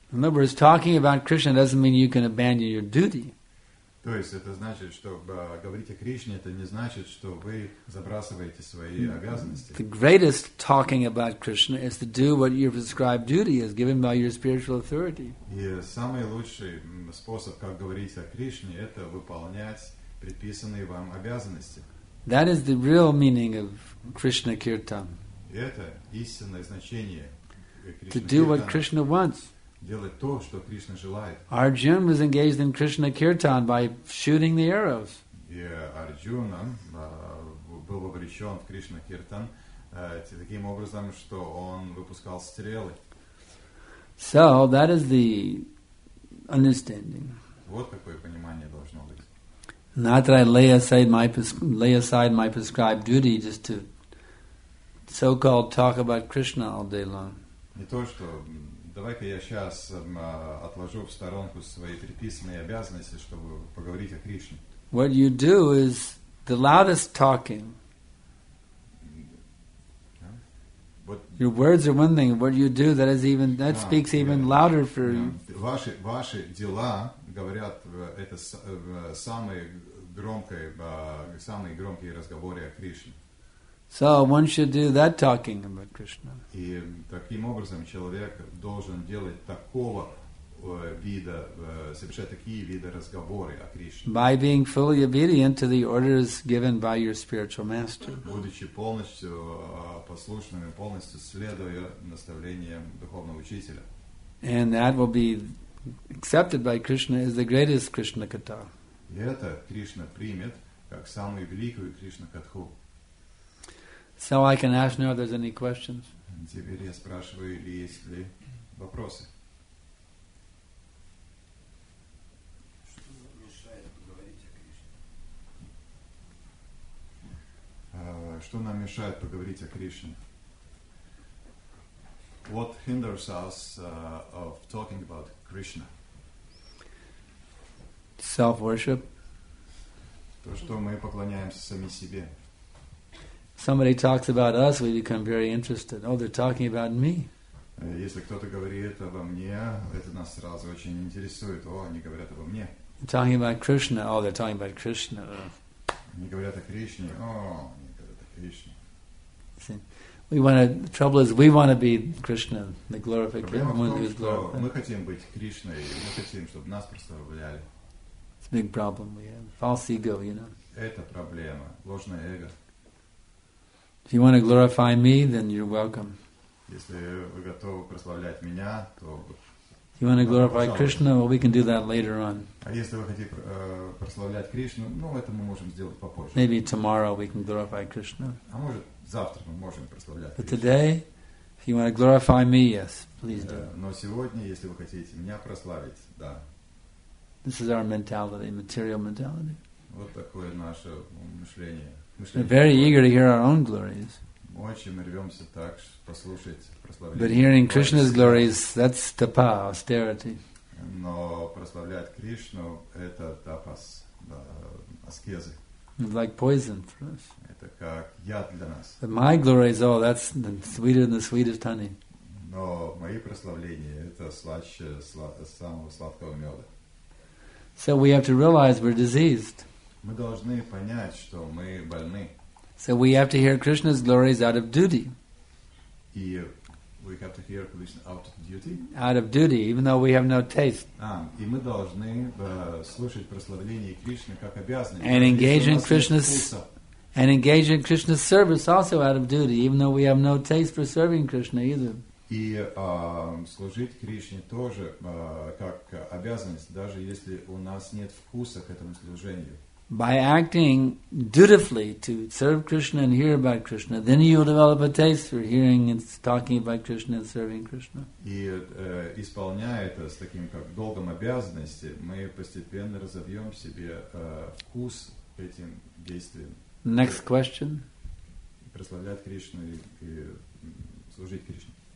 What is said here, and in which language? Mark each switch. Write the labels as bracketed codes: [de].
[en] In other words, talking about Krishna doesn't mean you can abandon your duty. [ru] То есть это значит, что говорить о Кришне, это не значит, что вы забрасываете свои обязанности. [en] The greatest talking about Krishna is to do what your prescribed duty is given by your spiritual authority. [ru] И самый лучший способ, как говорить о Кришне, это выполнять предписанные вам обязанности. [en] That is the real meaning of Krishna Kirtan. [ru] Это истинное значение [en] Кришна. To do what Krishna wants. [ru] Делать то, что Кришна желает. [en] Arjuna was engaged in Krishna Kirtan by shooting the arrows. [ru] И Арджуна был вовлечен в Кришна Киртан таким образом, что он выпускал стрелы. [en] So, that is the understanding. [ru] Вот какое понимание должно быть. [en] Not that I lay aside my prescribed duty just to so-called talk about Krishna all day long. [ru] Не то, что давай-ка я сейчас отложу в сторонку свои предписанные обязанности, чтобы поговорить о Кришне. [en] What you do is the loudest talking. Your words are one thing. What you do, that is even that speaks even louder for you. [ru] Ваши дела говорят это самые громкие разговоры о Кришне. [en] So one should do that talking about Krishna. [ru] И таким образом человек должен делать такого вида, совершать такие виды разговоры о Кришне. [en] By being fully obedient to the orders given by your spiritual master. [ru] Будучи полностью послушным и полностью следуя наставлениям духовного учителя. [en] And that will be accepted by Krishna as the greatest Krishna katha. [ru] И это Кришна примет как самую великую Кришна катху. [en] So I can ask now if there's any questions. [ru] Теперь я спрашиваю, есть ли вопросы. Что нам мешает поговорить о Кришне? [en] What hinders us of talking about Krishna? Self-worship. [ru] То, что мы поклоняемся сами себе. [en] Somebody talks about us, we become very interested. Oh, they're talking about me. [ru] Если кто-то говорит обо мне, это нас сразу очень интересует. О, они говорят обо мне. [en] Talking about Krishna. Oh, they're talking about Krishna. [ru] Они говорят о Кришне. О, они говорят о Кришне. [en] We want to, the trouble is, we want to be Krishna, the glorification. [ru] Мы хотим быть Кришной, мы хотим, чтобы нас прославляли. [en] It's a big problem we have. False ego, you know. [ru] Это проблема, ложное эго. [en] If you want to glorify me, then you're welcome. [ru] Если вы готовы прославлять меня, то... [en] If you want to glorify Krishna, well, we can do that later on. [ru] А если вы хотите прославлять Кришну, ну, это мы можем сделать попозже. [en] Maybe tomorrow we can glorify Krishna. [ru] А может... Завтра мы можем прославлять. [en] But today, if you want to glorify me, yes, please do. [ru] Но сегодня, если вы хотите меня прославить, да. [en] This is our mentality, material mentality. [ru] Вот такое наше мышление. [en] We're very eager to hear our own glories. [ru] Очень мы рвемся так, послушать прославление. [en] But hearing Krishna's glories, that's tapa, austerity. [ru] Но прославлять Кришну это тапас, аскезы. [en] It's like poison for us. [ru] Это как яд для нас. [en] But my glory is all, that's sweeter than the sweetest honey. [ru] Но мои прославления это слаще самого сладкого меда. [en] So we have to realize we're diseased. [ru] Мы должны понять, что мы больны. [en] So we have to hear Krishna's glories out of duty. [ru] И [en] we have to hear Krishna out of duty. Out of duty, even though we have no taste. [ru] И мы должны слушать прославление Кришны как обязанность. [en] And engage in Krishna's service also out of duty, even though we have no taste for serving Krishna either. [ru] И служить Кришне тоже как обязанность, даже если у нас нет вкуса к этому служению. [en] By acting dutifully to serve Krishna and hear about Krishna, then you will develop a taste for hearing and talking about Krishna and serving Krishna. [ru] И исполняя это с таким как долгом обязанности, мы постепенно разовьем в себе вкус к этим действиям. [en] Next question. [ru] Прославлять Кришну и служить Кришне.